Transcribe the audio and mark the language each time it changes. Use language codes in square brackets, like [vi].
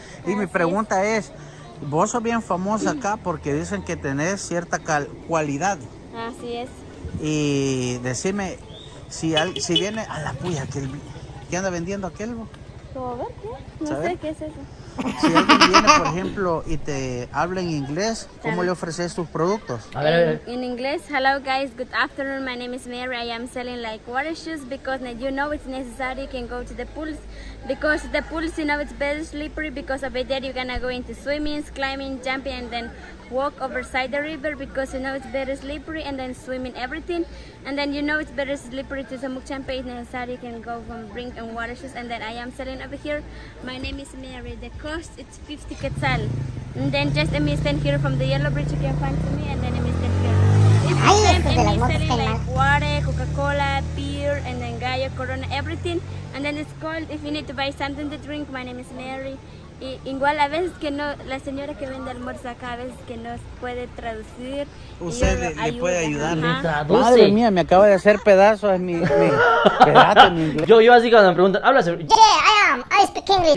[es] Y mi pregunta es, vos sos bien famosa acá porque dicen que tenés cierta cualidad. Así es. Y decime, si viene a la puya, ¿qué anda vendiendo aquel? A ver, ¿qué? No ¿sabe? Sé qué es eso. Si alguien viene, por ejemplo, y te habla en inglés, ¿cómo le ofreces tus productos? A ver, a ver. [en] In English, hello guys, good afternoon, my name is Mary, I am selling like water shoes because you know it's necessary, you can go to the pools. Because the pools, you know, it's very slippery because over there you're gonna go into swimming, climbing, jumping and then walk overside the river because you know it's very slippery and then swimming everything. And then you know it's very slippery to Semuc Champey, necessary you can go from bring and water shoes. And then I am selling over here. My name is Mary. The cost it's 50 quetzal. And then just let me stand here from the yellow bridge, you can find me and then let me stand here. [es] Ay, es de la [en] like water, Coca-Cola, beer, and then Gallo, Corona, everything. And then it's cold. If you need to buy something to drink, my name is Mary. [es] Y igual a veces que no, la señora que vende almuerzo acá, a veces que no puede traducir. Usted le puede ayudar. ¿Le madre mía, me acaba de hacer pedazos en mi inglés. Yo así cuando me preguntan, habla. [en] I speak English.